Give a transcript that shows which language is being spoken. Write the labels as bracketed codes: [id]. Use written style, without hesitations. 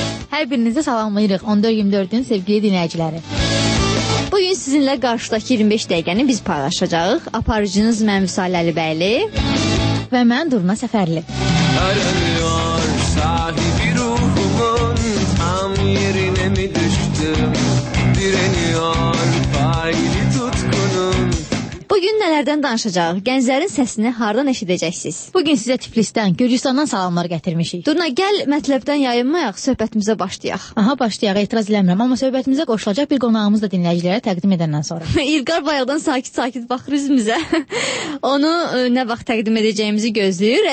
[az] Hər birinizə salamlayırıq 14-24'ün sevgili dinləyiciləri. Bugün sizinlə qarşıdakı 25 dəqiqəni biz paylaşacağıq. Aparıcınız mən Vüsal Əlibəyli və mən Durna Səfərli. [tr] Arıyor sahibi ruhumun tam yerine mi düştüm? Direniyor faili tutkunun. [az] Bugün nələrdən danışacağıq? Gənclərin səsini hardan eşidəcəksiniz? Bugün sizə Tiflisdən, Gürcüstandan salamlar gətirmişik. Durna, gəl mətləbdən yayınmayaq, söhbətimizə başlayaq. Aha, başlayaq, etiraz eləmirəm. Amma söhbətimizə qoşulacaq bir qonağımız da dinləyicilərə təqdim edəndən sonra. İlqar bayaqdan sakit-sakit baxır üzümüzə. Onu nə vaxt təqdim edəcəyimizi gözləyir.